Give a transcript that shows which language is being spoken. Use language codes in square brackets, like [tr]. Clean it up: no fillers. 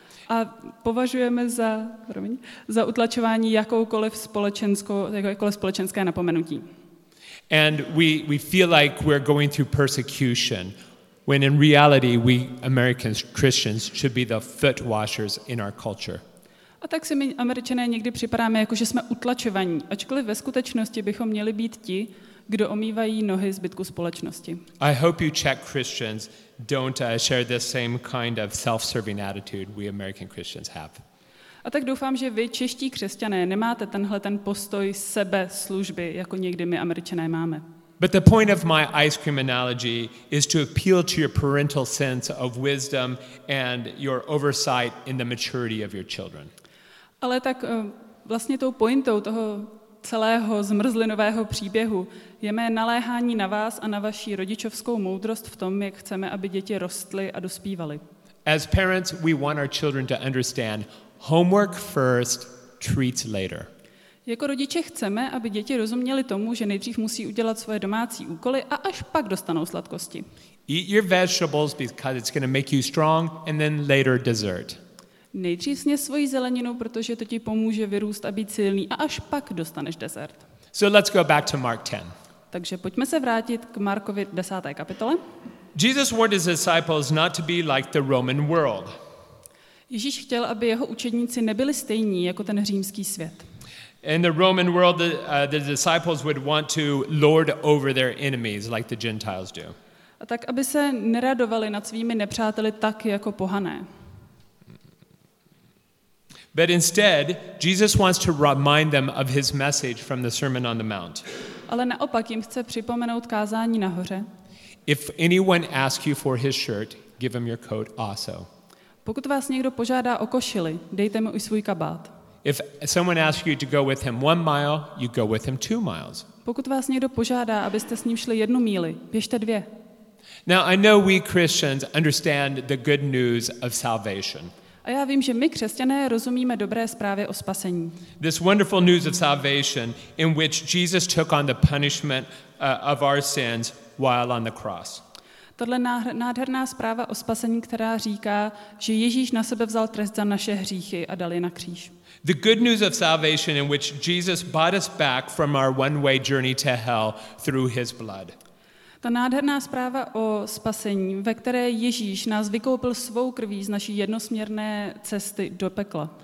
[cs] A považujeme za utlačování jakékoliv společenské napomenutí. [en] And we feel like we're going through persecution, when in reality we American Christians should be the foot washers in our culture. [cs] A tak si my Američané někdy připadáme jako že jsme utlačovaní, ačkoliv ve skutečnosti bychom měli být ti, kdo omývají nohy zbytku společnosti. [en] I hope you Czech Christians don't share the same kind of self-serving attitude we American Christians have. [cs] A tak doufám, že vy čeští křesťané nemáte tenhle ten postoj sebe služby, jako někdy my Američané máme. [en] But the point of my ice cream analogy is to appeal to your parental sense of wisdom and your oversight in the maturity of your children. [cs] Ale tak vlastně tou pointou toho celého zmrzlinového příběhu je mé naléhání na vás a na vaši rodičovskou moudrost v tom, jak chceme, aby děti rostly a dospívaly. [en] As parents, we want our children to understand homework first, treats later. [cs] Jako rodiče chceme, aby děti rozuměly tomu, že nejdřív musí udělat svoje domácí úkoly a až pak dostanou sladkosti. [en] Eat your vegetables because it's going to make you strong and then later dessert. [cs] Nejdřív sněz svoji zeleninu, protože to ti pomůže vyrůst a být silný a až pak dostaneš desert. [en] So let's go back to Mark 10. [cs] Takže pojďme se vrátit k Markovi 10. kapitole. [en] Jesus warned his disciples not to be like the Roman world. [cs] Ježíš chtěl, aby jeho učedníci nebyli stejní jako ten římský svět. [en] In the Roman world, the disciples would want to lord over their enemies like the Gentiles do. [cs] A tak, aby se neradovali nad svými nepřáteli tak jako pohané. [en] But instead, Jesus wants to remind them of his message from the Sermon on the Mount. [cs] Ale naopak jim chce připomenout kázání nahoře. [en] If anyone asks you for his shirt, give him your coat also. [cs] Pokud vás někdo požádá o košili, dejte mu i svůj kabát. [en] If someone asks you to go with him 1 mile, you go with him 2 miles. [cs] Pokud vás někdo požádá, abyste s ním šli 1 míli, běžte 2. [en] Now I know we Christians understand the good news of salvation. [cs] A já vím, že my křesťané rozumíme dobré zprávě o spasení. [en] This wonderful news of salvation in which Jesus took on the punishment of our sins while on the cross. [cs] Tohle nádherná zpráva o spasení, která říká, že Ježíš na sebe vzal trest za naše hříchy a dal je na kříž. [en] The good news of salvation in which Jesus bought us back from our one-way journey to hell through his blood. [cs] Ta nádherná zpráva o spasení, ve které Ježíš nás vykoupil svou krví z naší jednosměrné cesty do pekla.